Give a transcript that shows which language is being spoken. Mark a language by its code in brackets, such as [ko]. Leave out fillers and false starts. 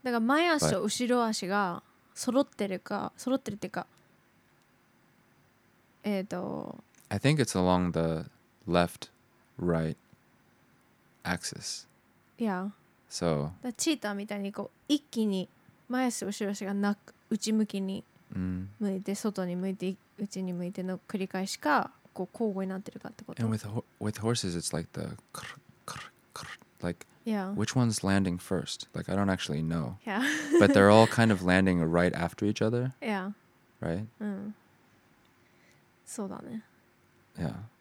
[ja] だから前足と後ろ足が揃ってるっていうか... [en] I think it's along the left-right axis. Yeah. So... [ja] だからチーターみたいにこう一気に前足と後ろ足がなく内向きに向いて外に向いて内に向いての繰り返しかこう交互になってるかってこと。 [en] And with horses, it's like the crr, crr, crr, like yeah. Which one's landing first? Like I don't actually know. Yeah. But they're all kind of landing right after each other. Yeah. Right. [ja] うん。そうだね。 [en] Yeah.